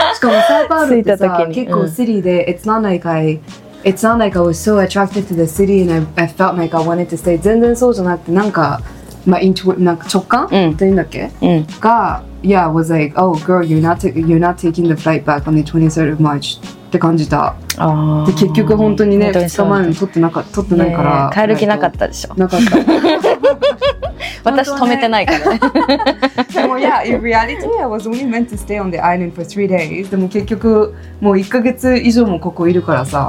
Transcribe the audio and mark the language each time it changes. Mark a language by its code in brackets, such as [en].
[ja] しかもサーパーロってさ、結構シリーで、 [en] It's not like It's not like I was so attracted to the city and I felt like I wanted to stay. [ja] 全然そうじゃなくて、なんか、まあ、なんか直感、うん、って言うんだっけ、うん、 [en] が、Yeah, was like, oh girl, you're not taking the flight back on the 23rd of March [ja] って感じた。あで結局本当にね、2日前に撮ってないから。帰る気なかったでしょ。なかった。私止めてないからね。でも [en] Yeah, in reality, I was only meant to stay on the island for 3 days. [ja] でも結局、もう1ヶ月以上もここいるからさ。